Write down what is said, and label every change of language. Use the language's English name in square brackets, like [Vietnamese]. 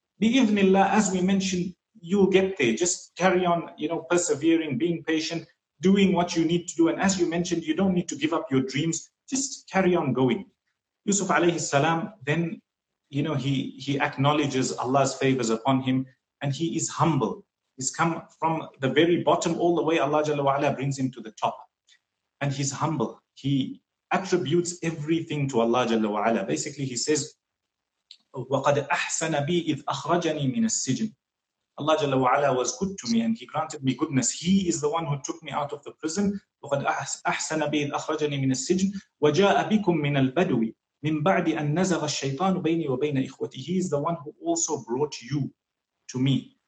[English] Bi-ibnillah, as we mentioned, you'll get there. Just carry on, you know, persevering, being patient, doing what you need to do. And as you mentioned, you don't need to give up your dreams. Just carry on going. Yusuf alayhi salam, then, you know, he acknowledges Allah's favors upon him and he is humble. He's come from the very bottom all the way. Allah Jalla wa'ala brings him to the top. And he's humble. He attributes everything to Allah Jalla wa'ala. Basically, he says, [Arabic] وَقَدْ أَحْسَنَ بِي إِذْ أَخْرَجَنِي مِنَ السِّجْنِ. [English] Allah Jalla wa'ala was good to me and he granted me goodness. He is the one who took me out of the prison. [Arabic] وَقَدْ أَحْسَنَ بِي إِذْ أَخْرَجَنِي مِنَ السِّجْنِ وَجَاءَ بِكُم مِّنَ الْبَدْوِ مِن بَعْدِ أَن نَزَغَ الشَّيْطَانُ بَيْنِي وَبَيْنَ إِخْوَتِي. [English] He is the one who also brought you to me.